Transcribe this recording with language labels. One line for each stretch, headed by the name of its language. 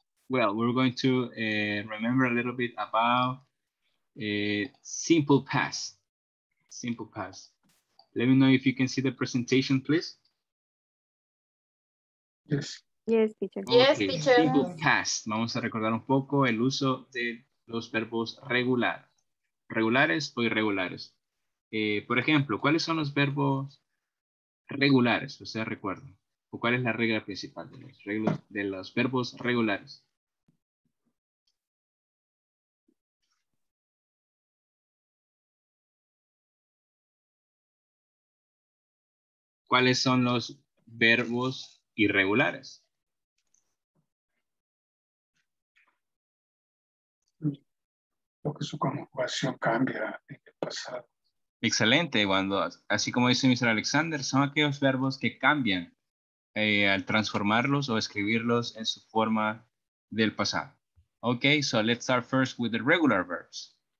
English: Well, we're going to remember a little bit about a simple past. Simple past. Let me know if you can see the presentation, please. Yes, teacher. Okay. Yes, teacher. Simple past.
Spanish: Vamos a recordar un poco el uso de los verbos regular. Regulares o irregulares. Por ejemplo, ¿cuáles son los verbos regulares? ¿Ustedes recuerdan? ¿O cuál es la regla principal de los verbos regulares? ¿Cuáles son los verbos irregulares? Lo que su conjugación cambia en el pasado. Excelente. Cuando, así como dice Mr. Alexander, son aquellos verbos que cambian al transformarlos o escribirlos en su forma del pasado.
English: Ok, so let's start first with the regular verbs.